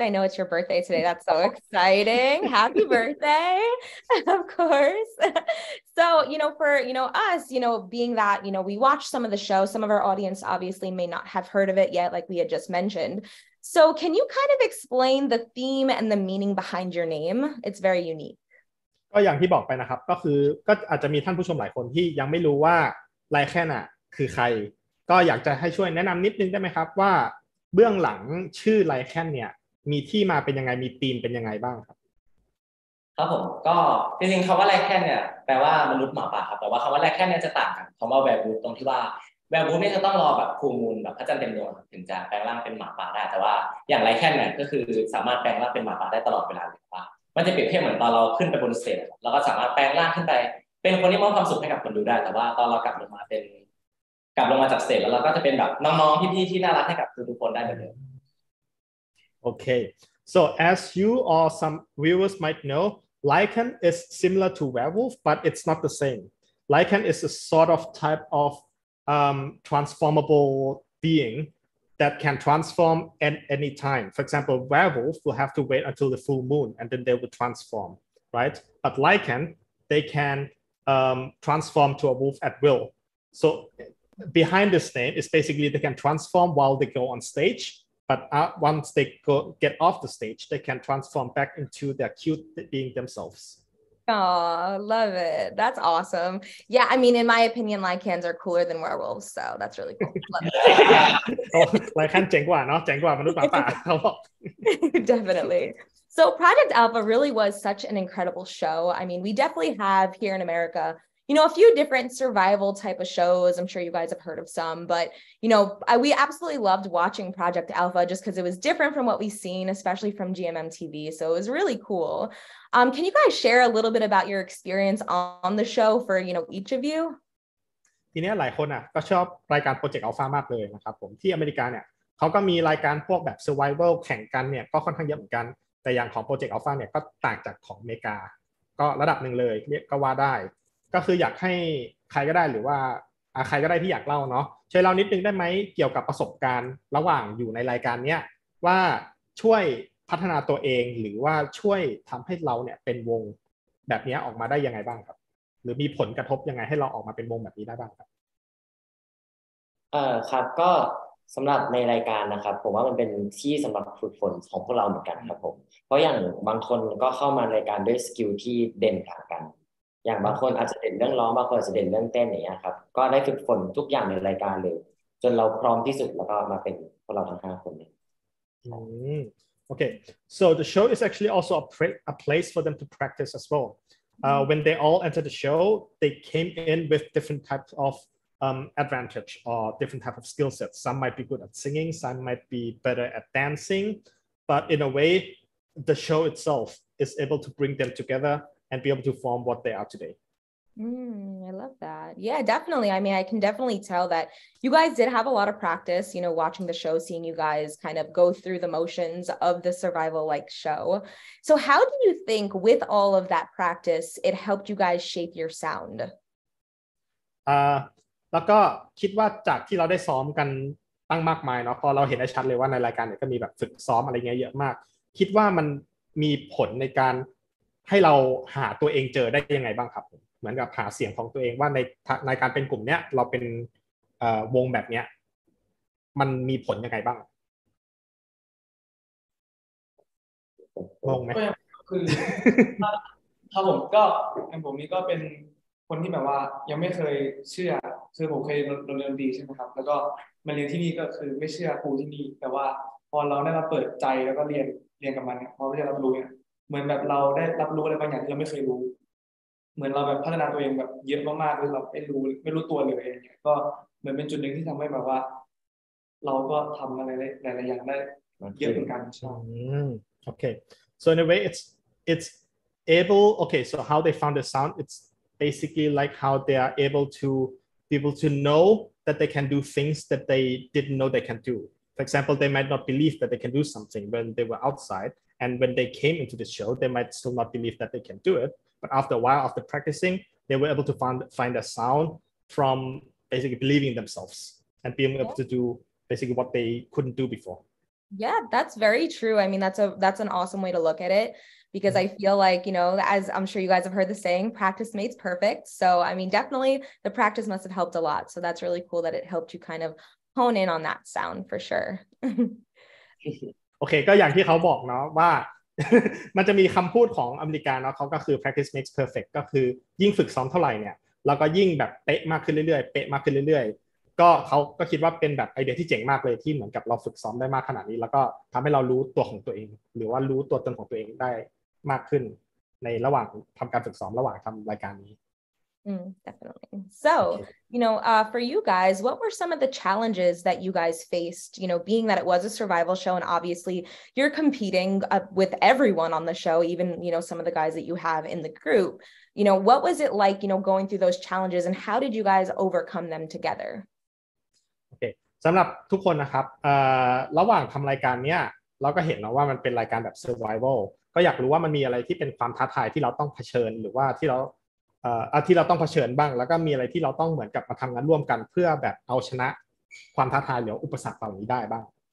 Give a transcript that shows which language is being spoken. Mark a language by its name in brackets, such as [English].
[English] I know it's your birthday today. That's so exciting. Happy birthday, of course. So, you know, for, you know, us, you know, being that, you know, we watch some of the show, some of our audience obviously may not have heard of it yet, like we had just mentioned. So can you kind of explain the theme and the meaning behind your name? It's very unique. [Thai] ก็อย่างที่บอกไปนะครับก็คือก็อาจจะมีท่านผู้ชมหลายคนที่ยังไม่รู้ว่าLYKNคือใครก็อยากจะให้ช่วยแนะนำนิดนึงได้ไหมครับว่าเบื้องหลังชื่อ LYKN เนี่ยมีที่มาเป็นยังไงมีธีมเป็นยังไงบ้างครับ ครับผมก็จริงๆคำว่า LYKN เนี่ยแปลว่ามนุษย์หมาป่าครับแต่ว่าคำว่า LYKN เนี่ยจะต่างกันคำว่าแวร์บูทตรงที่ว่าแวร์บูทเนี่ยจะต้องรอแบบฟูลมูนแบบพระจันทร์เต็มดวงถึงจะแปลงร่างเป็นหมาป่าได้แต่ว่าอย่าง LYKN เนี่ยก็คือสามารถแปลงร่างเป็นหมาป่าได้ตลอดเวลาเลยว่ามันจะเปรียบเทียบเหมือนตอนเราขึ้นไปบนสเตจแล้วก็สามารถแปลงร่างขึ้นไปเป็นคนที่มอบความสุขให้กับคนดูได้แต่ว่าตอนเรากลับลงมาเป็นกลับลงมาจากเสร็จแล้วเราก็จะเป็นแบบน้องๆพี่ๆที่น่ารักให้กับทุกคนได้เหมือนเดิม [English] โอเค so as you or some viewers might know LYKN is similar to werewolf but it's not the same LYKN is a sort of type of transformable being that can transform at any time for example werewolf will have to wait until the full moon and then they will transform right but LYKN they can transform to a wolf at will sobehind this name is basically they can transform while they go on stage but once they go get off the stage they can transform back into their cute being themselves oh love it that's awesome yeah I mean in my opinion LYKNs are cooler than werewolves so that's really cool [Thai] LYKN เจ๋งกว่าเนาะเจ๋งกว่ามนุษย์หมาป่าเขาบอก [English] definitely so Project Alpha really was such an incredible show I mean we definitely have here in AmericaYou know, a few different survival type of shows. I'm sure you guys have heard of some, but, you know, we absolutely loved watching Project Alpha just because it was different from what we've seen, especially from GMMTV. So it was really cool. Can you guys share a little bit about your experience on the show for, you know, each of you? [Thai] ทีนี้หลายคนอ่ะก็ชอบรายการ Project Alpha มากเลยนะครับผมที่อเมริกาเนี่ยเขาก็มีรายการพวกแบบ survival แข่งกันเนี่ยก็ค่อนข้างเยอะเหมือนกันแต่อย่างของ Project Alpha เนี่ยก็ต่างจากของอเมริกาก็ระดับนึงเลยก็ว่าได้ก็คืออยากให้ใครก็ได้หรือว่า ใครก็ได้ที่อยากเล่าเนาะช่วยเล่านิดนึงได้ไหมเกี่ยวกับประสบการณ์ระหว่างอยู่ในรายการเนี้ยว่าช่วยพัฒนาตัวเองหรือว่าช่วยทำให้เราเนี่ยเป็นวงแบบนี้ออกมาได้ยังไงบ้างครับหรือมีผลกระทบยังไงให้เราออกมาเป็นวงแบบนี้ได้บ้างครับ ครับก็สำหรับในรายการนะครับผมว่ามันเป็นที่สำหรับฝึกฝนของพวกเราเหมือนกันครับผมเพราะอย่างบางคนก็เข้ามารายการด้วยสกิลที่เด่นต่างกันอย่างบางคนอาจจะเด่นเรื่องร้องบางคนอาจจะเด่นเรื่องเต้นอย่างเงี้ยครับก็ได้ฝึกฝนทุกอย่างในรายการเลยจนเราพร้อมที่สุดแล้วก็มาเป็นพวกเราทั้ง5คนเนี่ย [English] โอเค so the show is actually also a place for them to practice as well when they all enter the show they came in with different types of advantage or different type of skill sets some might be good at singing some might be better at dancing but in a way the show itself is able to bring them togetherand be able to form what they are today. I love that. Yeah, definitely. I mean, I can definitely tell that you guys did have a lot of practice, you know, watching the show, seeing you guys kind of go through the motions of the survival like show. So how do you think with all of that practice, it helped you guys shape your sound? [Thai] แล้วก็คิดว่าจากที่เราได้ซ้อมกันตั้งมากมายเนาะพอเราเห็นได้ชัดเลยว่าในรายการเนี่ยก็มีแบบฝึกซ้อมอะไรเงี้ยเยอะมากคิดว่ามันมีผลในการให้เราหาตัวเองเจอได้ยังไงบ้างครับเหมือนกับหาเสียงของตัวเองว่าในการเป็นกลุ่มเนี้ยเราเป็นวงแบบเนี้ยมันมีผลยังไงบ้างงงไหม คือถ้าผมก็ผมนี่ก็เป็นคนที่แบบว่ายังไม่เคยเชื่อคือผมเคยโดนเรียนดีใช่ไหมครับแล้วก็มาเรียนที่นี่ก็คือไม่เชื่อครูที่นี่แต่ว่าพอเราได้มาเปิดใจแล้วก็เรียนกับมันเนี่ยพอได้รับรู้เนี่ยเหมือนแบบเราได้รับรู้อะไรบางอย่างที่เราไม่เคยรู้เหมือนเราแบบพัฒนาตัวเองแบบเยอะมากๆคือเราไม่รู้ตัวเลยอะไรอย่างเงี้ยก็เหมือนเป็นจุดหนึ่งที่ทำให้แบบว่าเราก็ทำอะไรหลายๆอย่างได้เยอะเหมือนกันใช่ [English] โอเค so in a way it's able okay so how they found the sound it'sBasically, like how they are able to be able to know that they can do things that they didn't know they can do. For example, they might not believe that they can do something when they were outside, and when they came into the show, they might still not believe that they can do it. But after a while, after practicing, they were able to find a sound from basically believing themselves and being able to do basically what they couldn't do before. Yeah, that's very true. I mean, that's an awesome way to look at it. Because I feel like, you know, as I'm sure you guys have heard the saying, practice makes perfect. So, I mean, definitely the practice must have helped a lot. So that's really cool that it helped you kind of hone in on that sound for sure. [Thai] Okay, ก็อย่างที่เขาบอกเนาะว่ามันจะมีคำพูดของอเมริกันเนาะเขาก็คือ [English] practice makes perfect [Thai] ก็คือยิ่งฝึกซ้อมเท่าไหร่เนี่ยเราก็ยิ่งแบบเป๊ะมากขึ้นเรื่อยๆเป๊ะมากขึ้นเรื่อยๆก็เขาก็คิดว่าเป็นแบบไอเดียที่เจ๋งมากเลยที่เหมือนกับเราฝึกซ้อมได้มากขนาดนี้แล้วก็ทำให้เรารู้ตัวของตัวเองหรือว่ารู้ตัวตนของตัวเองได้มากขึ้นในระหว่างทำการฝึกซ้อมระหว่างทำรายการนี้ [English] definitely so okay. you know for you guys what were some of the challenges that you guys faced you know being that it was a survival show and obviously you're competing with everyone on the show even you know some of the guys that you have in the group you know what was it like you know going through those challenges and how did you guys overcome them together [Thai] okay สำหรับทุกคนนะครับระหว่างทำรายการเนี้ยเราก็เห็นนะว่ามันเป็นรายการแบบ survivalก็อยากรู้ว่ามันมีอะไรที่เป็นความท้าทายที่เราต้องเผชิญหรือว่าที่เราที่เราต้องเผชิญบ้างแล้วก็มีอะไรที่เราต้องเหมือนกับมาทำงานร่วมกันเพื่อแบบเอาชนะความท้าทายหรืออุปสรรคเหล่านี้ได้บ้าง